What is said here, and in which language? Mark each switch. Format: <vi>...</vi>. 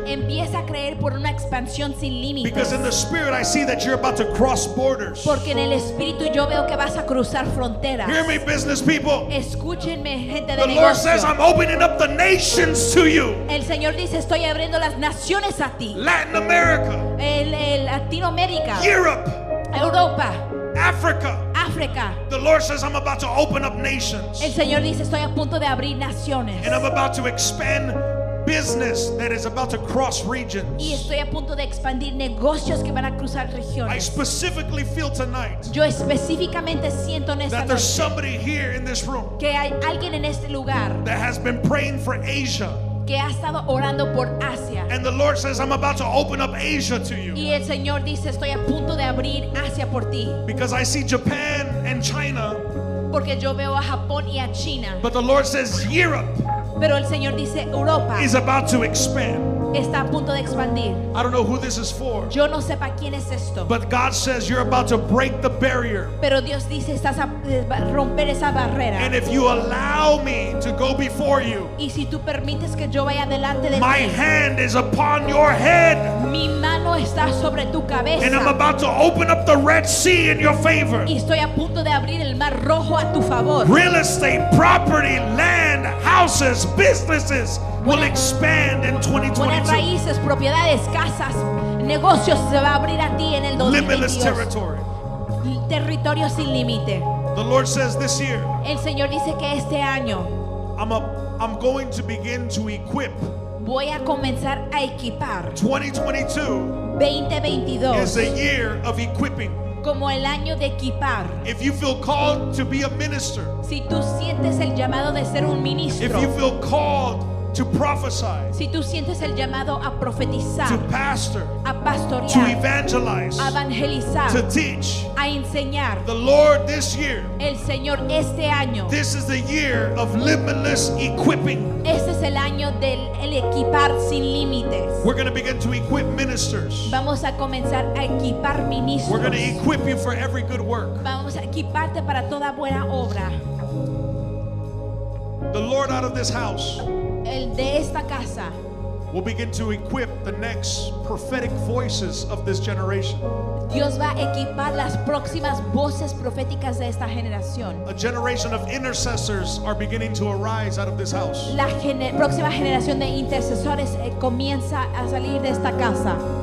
<es>Empieza a creer por una expansión sin límites.</es> <en>Because in the spirit I see that you're about to cross borders.</en> <es>Porque en el espíritu yo veo que vas a cruzar fronteras.</es> <en>Hear me, business people.</en> <es>Escúchenme, gente de negocio.</es> <en>The Lord says I'm opening up the nations to you.</en> <es>El Señor dice estoy abriendo las naciones a ti.</es> <en>Latin America.</en> <es>El Latinoamérica.</es> <en>Europe.</en> <es>Europa.</es> <en>Africa.</en> <es>Africa.</es> <en>The Lord says I'm about to open up nations.</en> <es>El Señor dice estoy a punto de abrir naciones.</es> <en>And I'm about to expand business that is about to cross regions.</en> <es>Y estoy a punto de expandir negocios que van a cruzar regiones.</es> <en>I specifically feel tonight.</en> <es>Yo específicamente siento en esta noche.</es> <en>That there's somebody here in this room.</en> <es>Que hay alguien en este lugar.</es> <en>That has been praying for Asia.</en> <es>Que ha estado orando por Asia.</es> <en>And the Lord says, I'm about to open up Asia to you.</en> <es>Y el Señor dice, estoy a punto de abrir Asia por ti.</es> <en>Because I see Japan and China.</en> <es>Porque yo veo a Japón y a China.</es> <en>But the Lord says, Europe.</en> <es>Pero el Señor dice, Europa.</es> <en>Is about to expand.</en> <es>Está a punto de expandir.</es> <en>I don't know who this is for.</en> <es>Yo no sé para quién es esto.</es> <en>But God says, you're about to break the barrier.</en> <es>Pero Dios dice, estás a romper esa barrera.</es> <en>And if you allow me to go before you,</en> <es>y si tú permites que yo vaya delante de</es> <en>my</en> <es>ti,</es> <en>hand is upon your head.</en> <es>Mi mano está sobre tu cabeza.</es> <en>And I'm about to open up the Red Sea in your favor.</en> <es>Y estoy a punto de abrir el Mar Rojo a tu favor.</es> <en>Real estate, property, land, houses, businesses will expand in 2022.</en> <es>Raíces, propiedades, casas, negocios se va a abrir a ti en el 2022.</es> <en>Limitless territory.</en> <es>Territorio sin límite.</es> <en>The Lord says this year.</en> <es>El Señor dice que este año.</es> <en>I'm going to begin to equip.</en> <es>Voy a comenzar a equipar.</es> <en>2022. Is a year of equipping.</en> <es>Como el año de equipar.</es> <en>If you feel called to be a minister.</en> <es>Si tú sientes el llamado de ser un ministro.</es> <en>If you feel called to prophesy,</en> <es>si tú sientes el llamado a profetizar,</es> <en>to pastor,</en> <es>a pastorear,</es> <en>to evangelize,</en> <es>a evangelizar,</es> <en>to teach,</en> <es>a enseñar,</es> <en>the Lord this year,</en> <es>el Señor este año,</es> <en>this is the year of limitless equipping.</en> <es>Este es el año del el equipar sin límites.</es> <en>We're going to begin to equip ministers.</en> <es>Vamos a comenzar a equipar ministros.</es> <en>We're going to equip you for every good work.</en> <es>Vamos a equiparte para toda buena obra.</es> <en>The Lord out of this house,</en> <es>el de esta casa,</es> <en>will begin to equip the next prophetic voices of this generation.</en> <es>Dios va a equipar las próximas voces proféticas de esta generación.</es> <en>A generation of intercessors are beginning to arise out of this house.</en> <es>La próxima generación de intercesores comienza a salir de esta casa.</es>